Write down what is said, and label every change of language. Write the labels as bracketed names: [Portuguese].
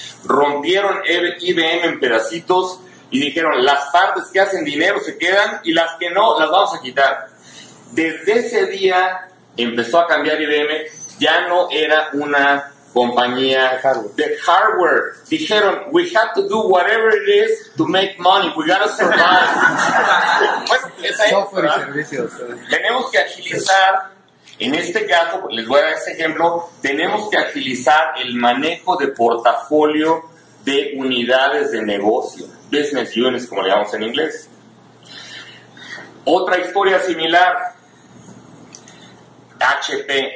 [Spanish] Rompieron IBM en pedacitos. Y dijeron, las partes que hacen dinero se quedan y las que no, las vamos a quitar. Desde ese día empezó a cambiar IBM, ya no era una compañía de hardware. [English] Dijeron, we have to do whatever it is to make money, we gotta survive. [Spanish] Pues, esa es, software y servicios. Tenemos que agilizar, en este caso, les voy a dar ese ejemplo, tenemos que agilizar el manejo de portafolio de unidades de negocio. Business units, como le llamamos en inglés. Otra historia similar, HP.